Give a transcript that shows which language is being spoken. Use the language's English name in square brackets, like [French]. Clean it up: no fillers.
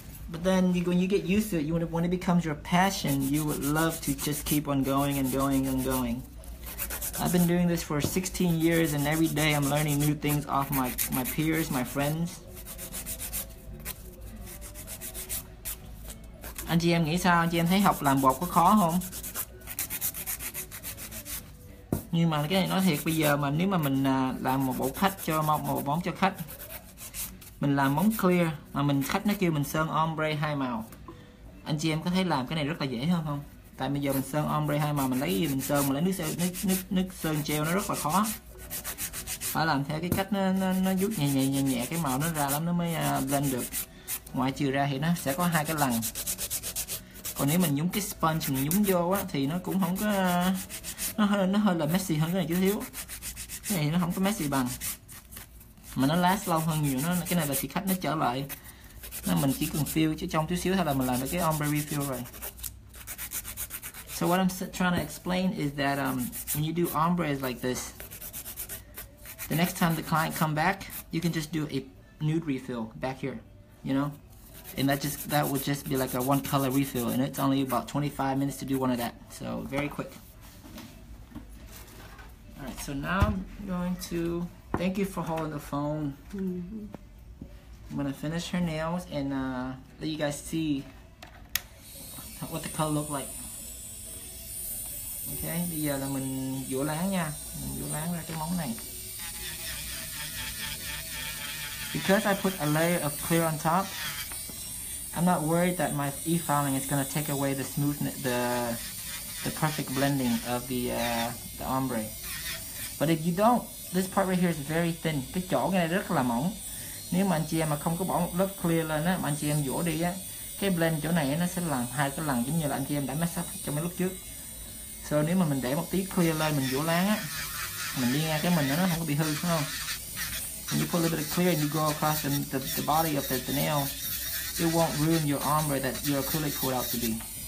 [English] But then when you get used to it, when it becomes your passion, you would love to just keep on going and going and going. I've been doing this for 16 years and every day I'm learning new things off my peers, my friends. [Vietnamese] Anh chị em nghĩ sao? Anh chị em thấy học làm bột có khó không? Nhưng mà cái này nói thiệt, bây giờ mà nếu mà mình làm một bộ khách cho một bóng cho khách, mình làm bóng clear mà mình khách nó kêu mình sơn ombre hai màu, anh chị em có thấy làm cái này rất là dễ hơn không? Tại bây giờ mình sơn ombre hai màu, mình lấy nước sơn gel nó rất là khó, phải làm theo cái cách nó rút nhẹ cái màu nó ra lắm nó mới blend được. Ngoài trừ ra thì nó sẽ có hai cái lằn, còn nếu mình nhúng cái sponge mình nhúng vô á thì nó cũng không có nó hơi là messy hơn cái này chút xíu. Cái này nó không có messy bằng mà nó last lâu hơn nhiều. Nó cái này là thì khách nó trở lại nó, mình chỉ cần feel chứ trong chút xíu thôi là mình làm được cái ombre refill rồi. [English] So what I'm trying to explain is that when you do ombres like this, the next time the client come back, you can just do a nude refill back here, you know? And that would just be like a one color refill, and it's only about 25 minutes to do one of that. So very quick. All right, so now I'm going to, thank you for holding the phone. Mm-hmm. I'm gonna finish her nails and let you guys see what the color look like. [Vietnamese] Okay, bây giờ là mình dũa láng nha. Mình dũa láng ra cái móng này. [English] Because I put a layer of clear on top, I'm not worried that my e-filing is gonna take away the smoothness, the perfect blending of the ombre. But if you don't, this part right here is very thin. [Vietnamese] Cái chỗ này rất là mỏng. Nếu mà anh chị em mà không có bỏ một lớp clear lên á, mà anh chị em dũa đi á, cái blend chỗ này nó sẽ làm hai cái lần giống như là anh chị em đã mess up trong mấy lúc trước. So nếu mà mình để một tí clear lên mình dũa láng á, mình đi ngang cái mình nó không có bị hư, phải không? [English] When you put a little bit of clear and you go across the body of the nail, it won't ruin your ombre that your acrylic pulled out to be.